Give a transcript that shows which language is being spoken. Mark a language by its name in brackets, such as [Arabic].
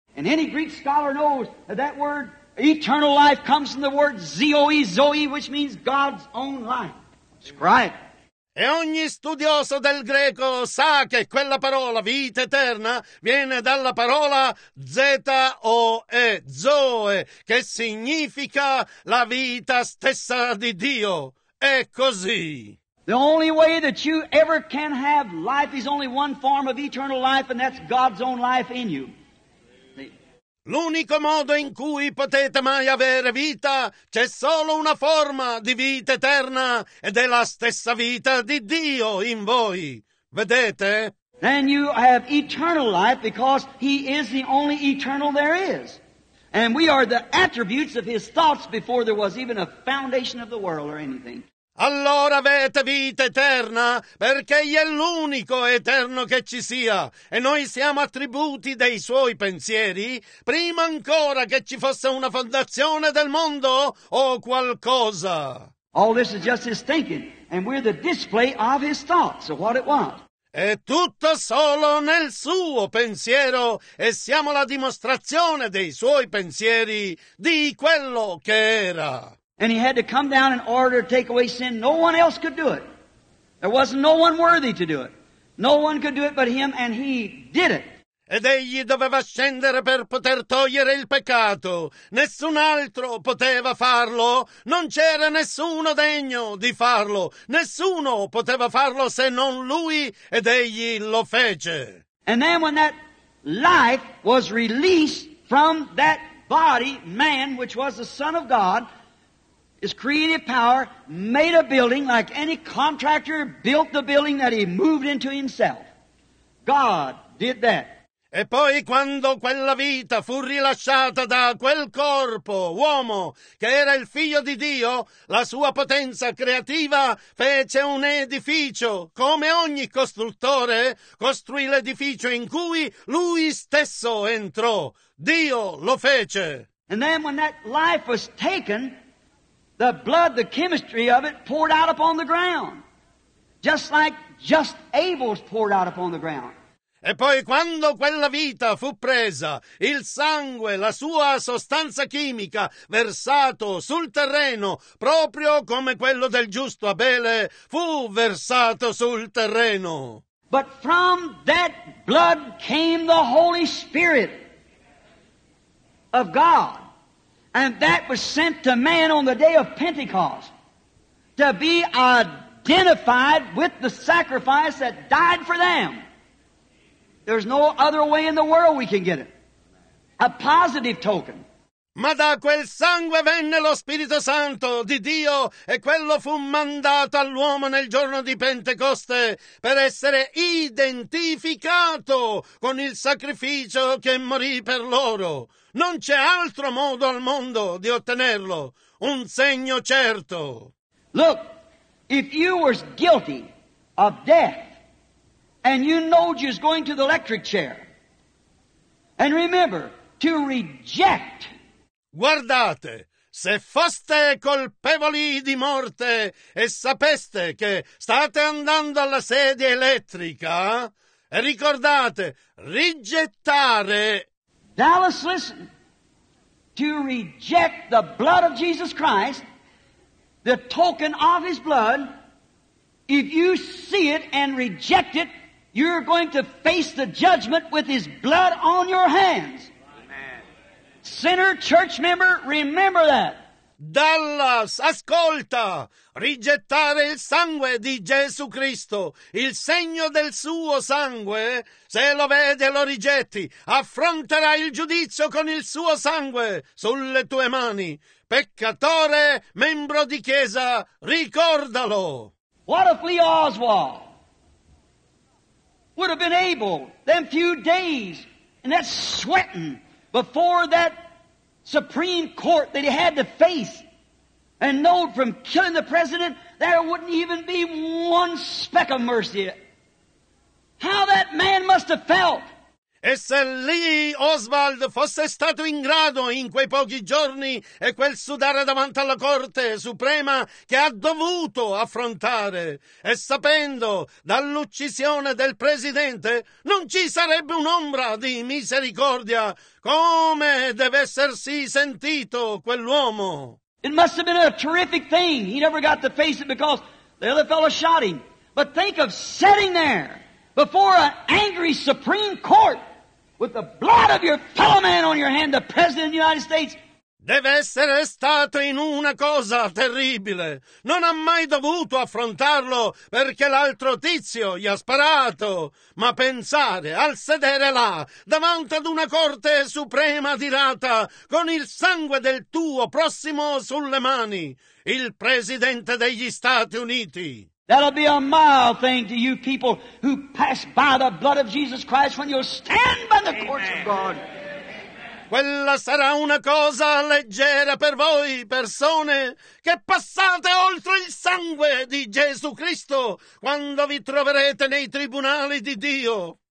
[English] And any Greek scholar knows that that word eternal life comes from the word zoe, zoe, which means God's own life. Scribe. [Italian] E ogni studioso del greco sa che quella parola, vita eterna, viene dalla parola Z-O-E, Zoe, che significa la vita stessa di Dio. È così. [English] The only way that you ever can have life is only one form of eternal life, and that's God's own life in you. [Italian] L'unico modo in cui potete mai avere vita, c'è solo una forma di vita eterna ed è la stessa vita di Dio in voi. Vedete? [English] Then you have eternal life because he is the only eternal there is. And we are the attributes of his thoughts before there was even a foundation of the world or anything. [Italian] Allora avete vita eterna, perché egli è l'unico eterno che ci sia, e noi siamo attributi dei suoi pensieri, prima ancora che ci fosse una fondazione del mondo o qualcosa. [English] All this is just his thinking, and we're the display of his thoughts, of what it was. [Italian] È tutto solo nel suo pensiero, e siamo la dimostrazione dei suoi pensieri, di quello che era. [English] And he had to come down in order to take away sin. No one else could do it. There wasn't no one worthy to do it. No one could do it but him, and he did it. [Italian] Ed egli doveva scendere per poter togliere il peccato. Nessun altro poteva farlo. Non c'era nessuno degno di farlo. Nessuno poteva farlo se non lui, ed egli lo fece. [English] And then when that life was released from that body, man, which was the Son of God, his creative power made a building like any contractor built the building that he moved into himself. God did that. [Italian] E poi quando quella vita fu rilasciata da quel corpo, uomo, che era il figlio di Dio, la sua potenza creativa fece un edificio, come ogni costruttore costruì l'edificio in cui lui stesso entrò. Dio lo fece. [English] And then when that life was taken, the blood, the chemistry of it, poured out upon the ground. Just like just Abel's poured out upon the ground. [Italian] E poi quando quella vita fu presa, il sangue, la sua sostanza chimica, versato sul terreno, proprio come quello del giusto Abele, fu versato sul terreno. [English] But from that blood came the Holy Spirit of God. And that was sent to man on the day of Pentecost to be identified with the sacrifice that died for them. There's no other way in the world we can get it. A positive token. [Italian] Ma da quel sangue venne lo Spirito Santo di Dio e quello fu mandato all'uomo nel giorno di Pentecoste per essere identificato con il sacrificio che morì per loro. Non c'è altro modo al mondo di ottenerlo. Un segno certo. [English] Look, if you were guilty of death and you know you was going to the electric chair, and remember to reject. [Italian] Guardate, se foste colpevoli di morte e sapeste che state andando alla sedia elettrica, e ricordate, rigettare. [English] Dallas, listen. to reject the blood of Jesus Christ, the token of His blood, if you see it and reject it, you're going to face the judgment with His blood on your hands. Amen. Sinner, church member, remember that. [Italian] Dallas, ascolta! Rigettare il sangue di Gesù Cristo, il segno del suo sangue, se lo vede lo rigetti, affronterà il giudizio con il suo sangue sulle tue mani. Peccatore, membro di chiesa, ricordalo! [English] What if Lee Oswald would have been able, them few days, and that sweating before that Supreme Court that he had to face, and knowed from killing the president, there wouldn't even be one speck of mercy. How that man must have felt! [Italian] E se Lee Oswald fosse stato in grado in quei pochi giorni e quel sudare davanti alla Corte Suprema che ha dovuto affrontare, e sapendo dall'uccisione del Presidente, non ci sarebbe un'ombra di misericordia. Come deve essersi sentito quell'uomo? [English] It must have been a terrific thing. He never got to face it because the other fellow shot him. But think of sitting there before an angry Supreme Court with the blood of your fellow man on your hand, the President of the United States. [Italian] Deve essere stato in una cosa terribile. Non ha mai dovuto affrontarlo perché l'altro tizio gli ha sparato. Ma pensare al sedere là, davanti ad una corte suprema adirata, con il sangue del tuo prossimo sulle mani, il Presidente degli Stati Uniti. [English] That'll be a mild thing to you people who pass by the blood of Jesus Christ when you'll stand by the courts of God. [Italian] Quella sarà una cosa leggera per voi, persone, che passate oltre il sangue di Gesù Cristo quando vi troverete nei tribunali di Dio.